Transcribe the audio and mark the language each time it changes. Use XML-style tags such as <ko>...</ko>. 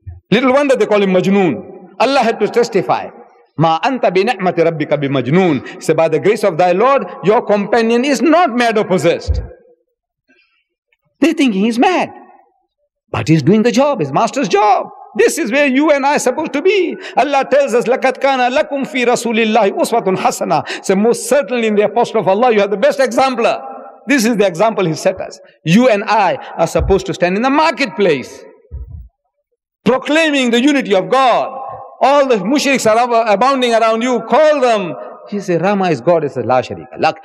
<en>Little wonder they call him Majnoon. Allah had to testify.</en> <ar>Ma anta bi ni'mati rabbika bi majnoon.</ar> <en>He said, by the grace of thy Lord, your companion is not mad or possessed. They think he's mad. But he's doing the job, his master's job. This is where you and I are supposed to be. Allah tells us,</en> <ar>لَكَدْ كَانَ لَكُمْ فِي رَسُولِ اللَّهِ أُسْوَةٌ حَسَنًا.</ar> <en>So most certainly in the apostle of Allah, you have the best exemplar. This is the example he set us. You and I are supposed to stand in the marketplace, proclaiming the unity of God. All the mushriks are abounding around you. Call them. He said, Rama is God, it's a La Sharika Lak.</en>